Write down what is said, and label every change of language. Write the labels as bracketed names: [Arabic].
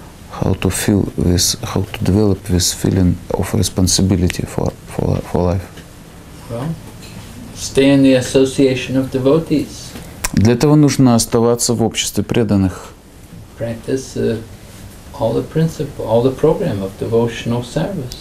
[English] How to develop this feeling of responsibility for life. Well, stay in the association of devotees. [Russian] Для этого нужно оставаться в обществе преданных. [English] Practice all the principle, all the program of devotional service.